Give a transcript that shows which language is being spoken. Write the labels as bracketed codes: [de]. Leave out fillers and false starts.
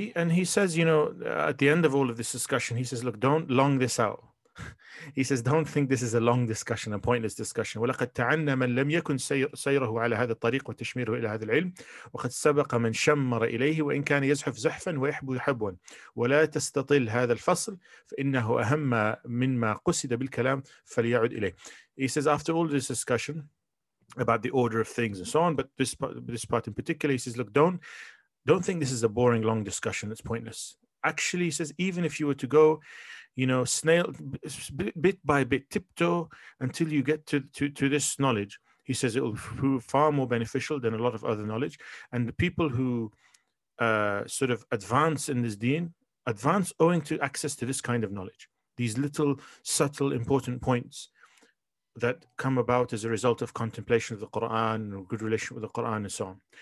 [en] He says, you know, at the end of all of this discussion, he says, look, don't long this out. He says, don't think this is a long discussion, a pointless discussion. [ar] وَلَقَدْ تَعَنَّ مَنْ لَمْ يَكُنْ سَيْرَهُ عَلَى هَذَا الطَّرِيقُ وَتَشْمِيرُهُ إِلَى هَذَا الْعِلْمِ وَقَدْ سَبَقَ مَنْ شَمَّرَ إِلَيْهِ وَإِنْ كَانَ يَزْحُفْ زَحْفًا وَيَحْبُو حَبْوًا وَلَا تَسْتَطِلْ هَذَا الْفَصْلِ فَإِنَّهُ أَهَمَّ مِمَّا قُسِدَ بِالْكَلَامِ فَلْيَعُدْ إِلَيْهِ. [en] He says, after all this discussion about the order of things and so on, but this part in particular, he says, look, don't think this is a boring, long discussion. It's pointless. Actually, he says, even if you were to go, you know, snail bit by bit, tiptoe until you get to this knowledge, he says it will prove far more beneficial than a lot of other knowledge. And the people who sort of advance in this deen advance owing to access to this kind of knowledge, these little, subtle, important points that come about as a result of contemplation of the Quran, or good relation with the Quran, and so on.